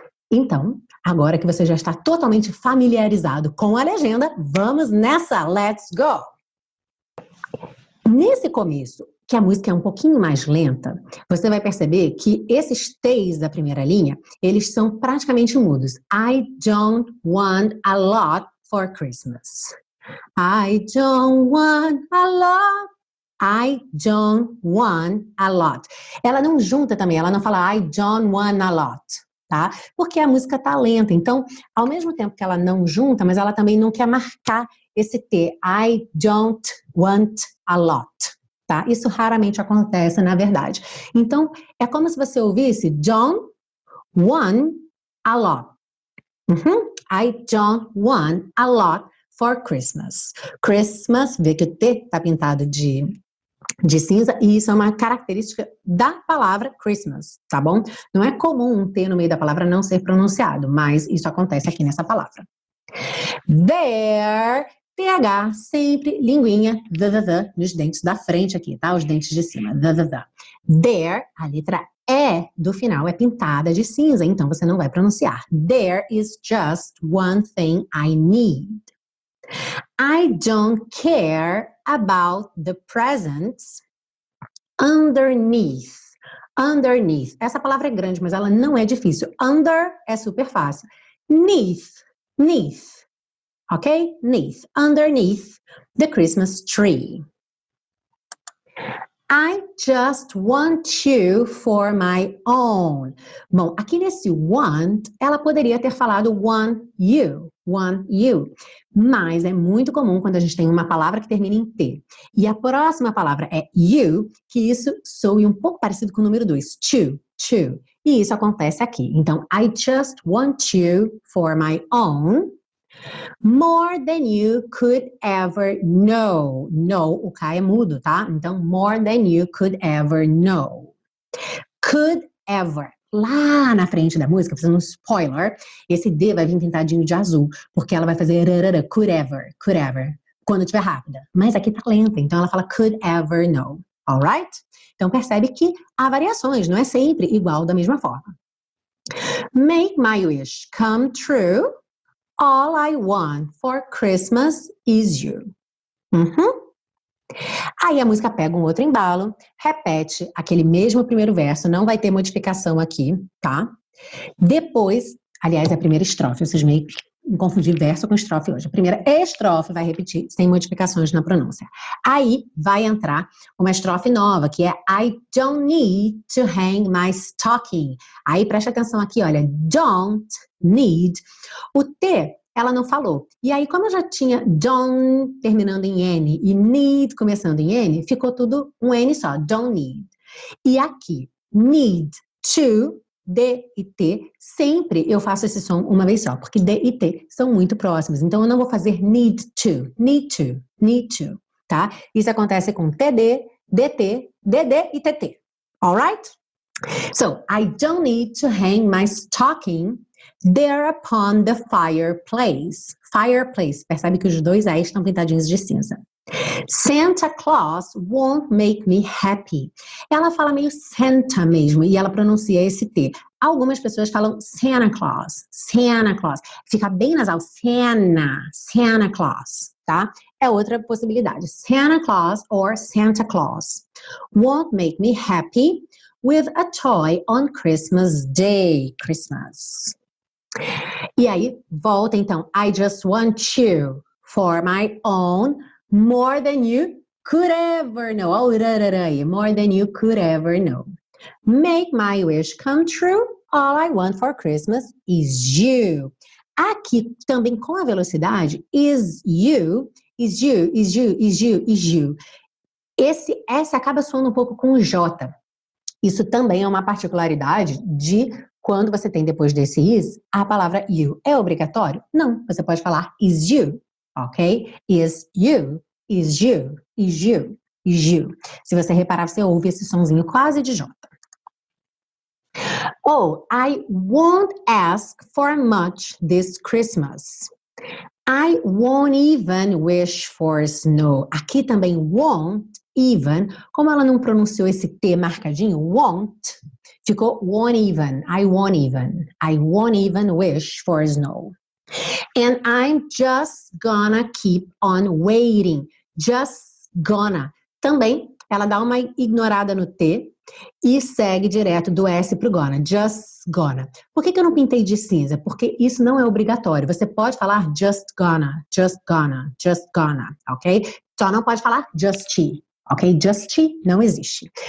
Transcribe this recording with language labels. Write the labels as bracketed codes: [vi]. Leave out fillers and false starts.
[pt] Então, agora que você já está totalmente familiarizado com a legenda, vamos nessa! [en] Let's go! [pt] Nesse começo, que a música é um pouquinho mais lenta, você vai perceber que esses T's da primeira linha, eles são praticamente mudos. [en] I don't want a lot for Christmas. I don't want a lot. I don't want a lot. [pt] Ela não junta também, ela não fala [en] I don't want a lot, [pt] tá? Porque a música tá lenta. Então, ao mesmo tempo que ela não junta, mas ela também não quer marcar esse T. [en] I don't want a lot, tá? [pt] Isso raramente acontece, na verdade. Então, é como se você ouvisse [en] don't want a lot. Uhum. I don't want a lot for Christmas. [pt] Christmas, vê que o T tá pintado de cinza, e isso é uma característica da palavra Christmas, tá bom? Não é comum um T no meio da palavra não ser pronunciado, mas isso acontece aqui nessa palavra. There, TH, sempre linguinha, the, nos dentes da frente aqui, tá? Os dentes de cima, the. There, a letra E do final é pintada de cinza, então você não vai pronunciar. [en] There is just one thing I need. I don't care about the presents underneath. Underneath. [pt] Essa palavra é grande, mas ela não é difícil. Under é super fácil. Neath. Neath. Ok? Neath. [en] Underneath the Christmas tree. I just want you for my own. [pt] Bom, aqui nesse want, ela poderia ter falado [en] want you. Want you. [pt] Mas é muito comum quando a gente tem uma palavra que termina em T. E a próxima palavra é you, que isso soe um pouco parecido com o número 2. To, to. E isso acontece aqui. [en] Então, I just want you for my own. More than you could ever know. Know, [pt] o K é mudo, tá? Então, [en] more than you could ever know. Could ever. [pt] Lá na frente da música, fazendo um spoiler, esse D vai vir pintadinho de azul, porque ela vai fazer rarara, could ever, quando estiver rápida. Mas aqui tá lenta, então ela fala [en] could ever know, Alright? [pt] Então percebe que há variações, não é sempre igual da mesma forma. [en] Make my wish come true. All I want for Christmas is you. Uhum. [pt] Aí a música pega um outro embalo, repete aquele mesmo primeiro verso, não vai ter modificação aqui, tá? Depois, aliás, é a primeira estrofe, vocês meio que confundir verso com estrofe hoje. A primeira estrofe vai repetir sem modificações na pronúncia. Aí vai entrar uma estrofe nova, que é [en] I don't need to hang my stocking. [pt] Aí preste atenção aqui, olha, [en] don't need. [pt] O T, ela não falou. E aí, como eu já tinha don't terminando em N e need começando em N, ficou tudo um N só, [en] don't need. [pt] E aqui, need to, D e T, sempre eu faço esse som uma vez só, porque D e T são muito próximos. Então, eu não vou fazer [en] need to, need to, need to, [pt] tá? Isso acontece com TD, DT, DD e TT, alright? [en] So, I don't need to hang my stocking there upon the fireplace. [pt] Fireplace, percebe que os dois A's estão pintadinhos de cinza. [en] Santa Claus won't make me happy. [pt] Ela fala meio Santa mesmo e ela pronuncia esse T. Algumas pessoas falam Santa Claus, Santa Claus. Fica bem nasal, Santa, Santa Claus, tá? É outra possibilidade, Santa Claus or Santa Claus. [en] Won't make me happy with a toy on Christmas Day. Christmas. [pt] E aí, volta então. [en] I just want you for my own. More than you could ever know. Oh, more than you could ever know. Make my wish come true. All I want for Christmas is you. [pt] Aqui também com a velocidade, [en] is you, is you, is you, is you, is you. [pt] Esse acaba soando um pouco com J. Isso também é uma particularidade de quando você tem depois desse is, a palavra you. É obrigatório? Não. Você pode falar [en] is you, [pt] ok? Is you. [en] Is you, is you, is you. [pt] Se você reparar, você ouve esse sonzinho quase de J. [en] Oh, I won't ask for much this Christmas. I won't even wish for snow. [pt] Aqui também won't even, como ela não pronunciou esse T marcadinho, won't, ficou won't even, [en] I won't even. I won't even wish for snow. And I'm just gonna keep on waiting. Just gonna. [pt] Também, ela dá uma ignorada no T e segue direto do S pro gonna. [en] Just gonna. [pt] Por que eu não pintei de cinza? Porque isso não é obrigatório. Você pode falar [en] just gonna, just gonna, just gonna, [pt] ok? Só não pode falar just, ok? Just não existe.